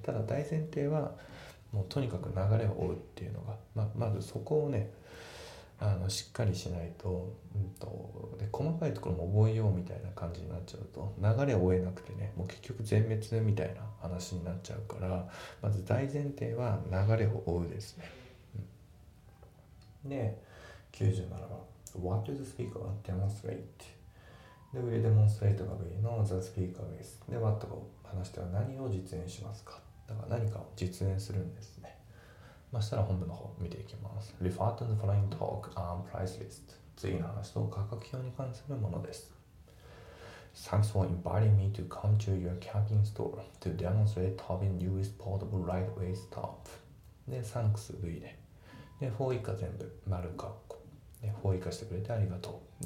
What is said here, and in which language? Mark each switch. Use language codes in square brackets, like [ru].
[ja] ただ大前提はもうとにかく流れを追うっていうのが、まずそこをね、しっかりしないと、で細かいところも覚えようみたいな感じになっちゃうと流れを追えなくてね、もう結局全滅みたいな話になっちゃうから、まず大前提は流れを追うですね、で97は [en] What does the speaker demonstrate? [ja] で、上デモンストレートが V の [en] The speaker is [ja] で、What が話しては何を実演しますか。だから何かを実演するんですね。まあ、したら本文の方見ていきます。 [en] Refer to the following talk on price list. [ja] 次の話と価格表に関するものです。 [en] Thanks for inviting me to come to your camping store to demonstrate Tobin's newest portable lightweight stop. [ja] で、Thanks V で。で、4以下全部、丸括弧。で、4以下してくれてありがとう。